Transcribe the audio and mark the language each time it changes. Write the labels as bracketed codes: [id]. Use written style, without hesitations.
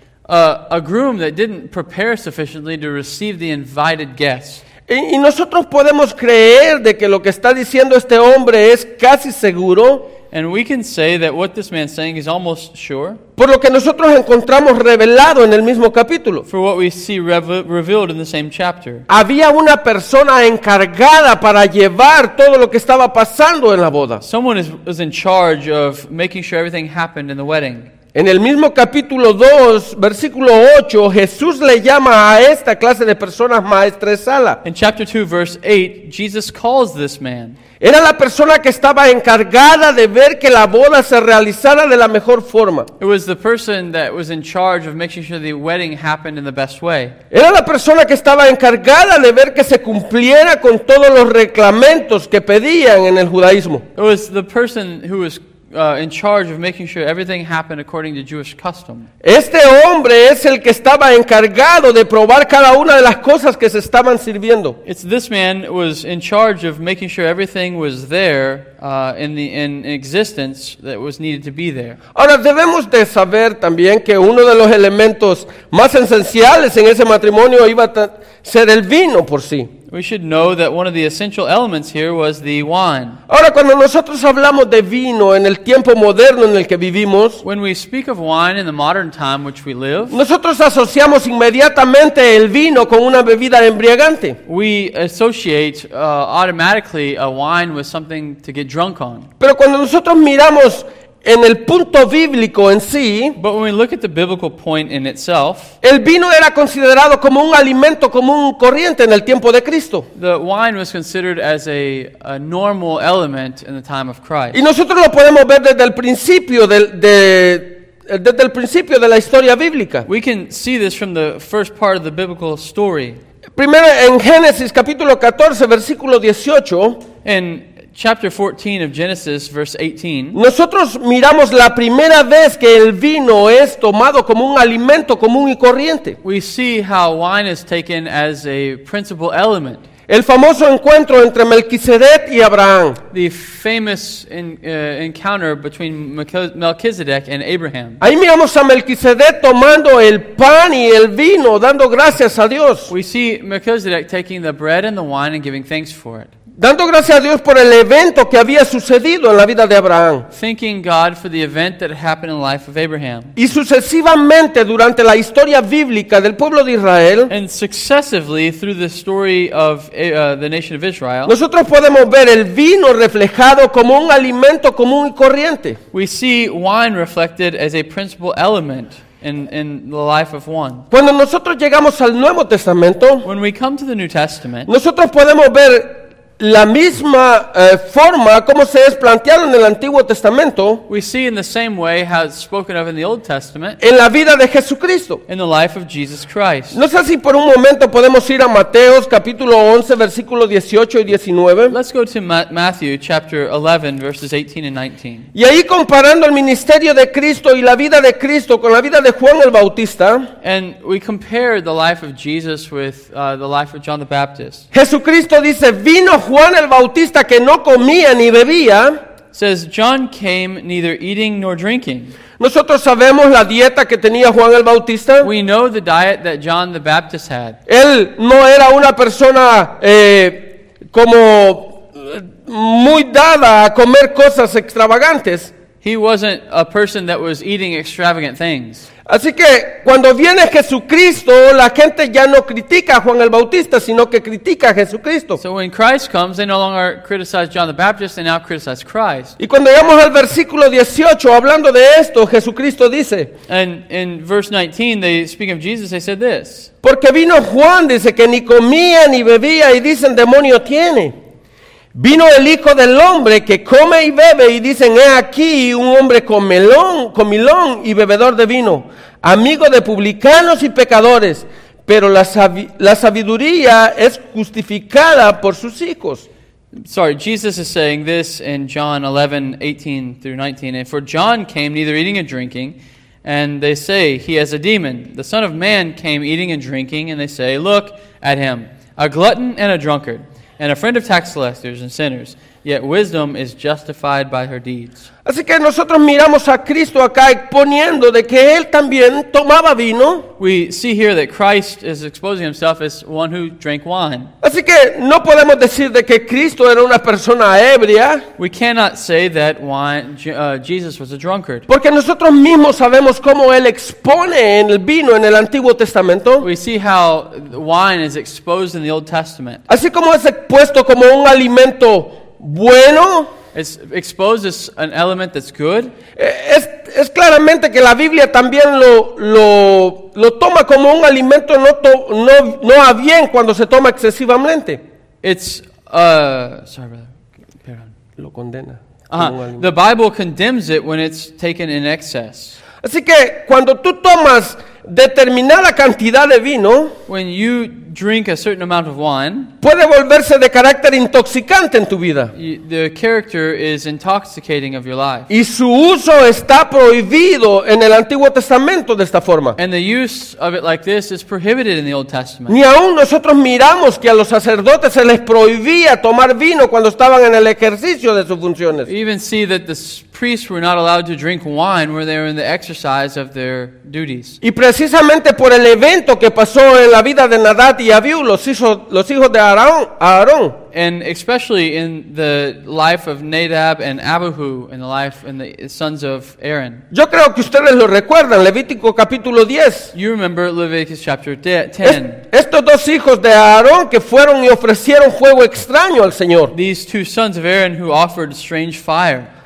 [en] A groom that didn't prepare sufficiently to receive the invited guests. [es] Y nosotros podemos creer de que lo que está diciendo este hombre es casi seguro. [en] And we can say that what this man's saying is almost sure. [es] Por lo que nosotros encontramos revelado en el mismo capítulo. [en] For what we see revealed in the same chapter. [es] Había una persona encargada para llevar todo lo que estaba pasando en la boda. [en] Someone was in charge of making sure everything happened in the wedding. [es] En el mismo capítulo 2, versículo 8, Jesús le llama a esta clase de personas maestresala. [en] In chapter 2, verse 8, Jesus calls this man. [es] Era la persona que estaba encargada de ver que la boda se realizara de la mejor forma. [en] It was the person that was in charge of making sure the wedding happened in the best way. [es] Era la persona que estaba encargada de ver que se cumpliera con todos los reglamentos que pedían en el judaísmo. [en] It was the person who was in charge of making sure everything happened according to Jewish custom. [es] Este hombre es el que estaba encargado de probar cada una de las cosas que se estaban sirviendo. [en] It's this man was in charge of making sure everything was there in existence that was needed to be there. [es] Ahora debemos de saber también que uno de los elementos más esenciales en ese matrimonio iba a ser el vino por sí. [en] We should know that one of the essential elements here was the wine. [es] Ahora, cuando nosotros hablamos de vino en el tiempo moderno en el que vivimos, [en] when we speak of wine in the modern time which we live, [es] nosotros asociamos inmediatamente el vino con una bebida embriagante. [en] We associate automatically a wine with something to get drunk on. [es] Pero cuando nosotros miramos en el punto bíblico en sí, [en] but when we look at the biblical point in itself, [es] el vino era considerado como un alimento común corriente en el tiempo de Cristo. [en] The wine was considered as a normal element in the time of Christ. [es] Y nosotros lo podemos ver desde el principio desde el principio de la historia bíblica. [en] We can see this from the first part of the biblical story. [es] Primero en Génesis capítulo 14 versículo 18, [en] en Chapter 14 of Genesis, verse 18. [es] Nosotros miramos la primera vez que el vino es tomado como un alimento común y corriente. [en] We see how wine is taken as a principal element. [es] El famoso encuentro entre Melquisedec y Abraham. [en] The famous encounter between Melquisedec and Abraham. [es] Ahí miramos a Melquisedec tomando el pan y el vino, dando gracias a Dios. [en] We see Melquisedec taking the bread and the wine and giving thanks for it. [es] Dando gracias a Dios por el evento que había sucedido en la vida de Abraham. [en] Thanking God for the event that happened in the life of Abraham. [es] Y sucesivamente durante la historia bíblica del pueblo de Israel. [en] And successively through the story of the nation of Israel. [es] Nosotros podemos ver el vino reflejado como un alimento común y corriente. [en] We see wine reflected as a principal element in the life of one. [es] Cuando nosotros llegamos al Nuevo Testamento, [en] when we come to the New Testament, [es] nosotros podemos ver la misma forma como se es planteado en el Antiguo Testamento. [en] We see in the same way how it's spoken of in the Old Testament. [es] En la vida de Jesucristo. [en] In the life of Jesus Christ. [es] No sé si por un momento podemos ir a Mateo capítulo 11 versículo 18 y 19. [en] Let's go to Matthew chapter 11 verses 18 and 19. [es] Y ahí comparando el ministerio de Cristo y la vida de Cristo con la vida de Juan el Bautista. [en] And we compare the life of Jesus with the life of John the Baptist. [es] Jesucristo dice, vino Juan el Bautista que no comía ni bebía. [en] Says John came neither eating nor drinking. [es] Nosotros sabemos la dieta que tenía Juan el Bautista. [en] We know the diet that John the Baptist had. [es] Él no era una persona como muy dada a comer cosas extravagantes. [en] He wasn't a person that was eating extravagant things. [es] Así que cuando viene Jesucristo, la gente ya no critica a Juan el Bautista, sino que critica a Jesucristo. [en] So when Christ comes, they no longer criticize John the Baptist, they now criticize Christ. [es] Y cuando llegamos al versículo 18, hablando de esto, Jesucristo dice. [en] And in verse 19, they speak of Jesus, they said this. [es] Porque vino Juan, dice, que ni comía ni bebía, y dicen, demonio tiene. Vino el Hijo del Hombre que come y bebe y dicen, he aquí un hombre comilón y bebedor de vino, amigo de publicanos y pecadores, pero la sabiduría es justificada por sus hijos. [en] Sorry, Jesus is saying this in John 11, 18 through 19, and for John came neither eating and drinking, and they say, he has a demon. The Son of Man came eating and drinking, and they say, look at him, a glutton and a drunkard. And a friend of tax collectors and sinners, yet wisdom is justified by her deeds. [es] Así que nosotros miramos a Cristo acá exponiendo de que él también tomaba vino. [en] We see here that Christ is exposing himself as one who drank wine. [es] Así que no podemos decir de que Cristo era una persona ebria. [en] We cannot say that wine, Jesus was a drunkard. [es] Porque nosotros mismos sabemos cómo él expone en el vino en el Antiguo Testamento. [en] We see how wine is exposed in the Old Testament. [es] Así como es expuesto como un alimento bueno. [en] It's exposed as an element that's good. [es] Es claramente que la Biblia también lo toma como un alimento no a bien cuando se toma excesivamente. [en] It's sorry, brother. [es] Perdón. Lo condena. [en] The Bible condemns it when it's taken in excess. [es] Así que cuando tú tomas determinada cantidad de vino, [en] when you drink a certain amount of wine, [es] puede volverse de carácter intoxicante en tu vida. [en] The character is intoxicating of your life. [es] Y su uso está prohibido en el Antiguo Testamento de esta forma. [en] And the use of it like this is prohibited in the Old Testament. [es] Ni aún nosotros miramos que a los sacerdotes se les prohibía tomar vino cuando estaban en el ejercicio de sus funciones. [en] We even see that the priests were not allowed to drink wine when they were in the exercise of their duties. [es] Y precisamente por el evento que pasó en la vida de Nadab y Abiú, los hijos de Aarón. [en] And especially in the life of Nadab and Abihu, in the life and the sons of Aaron. [es] Yo creo que ustedes lo recuerdan, Levítico capítulo 10. [en] You remember Leviticus chapter 10. [es] Estos dos hijos de Aarón que fueron y ofrecieron fuego extraño al Señor. [en] These two sons of Aaron who offered strange fire.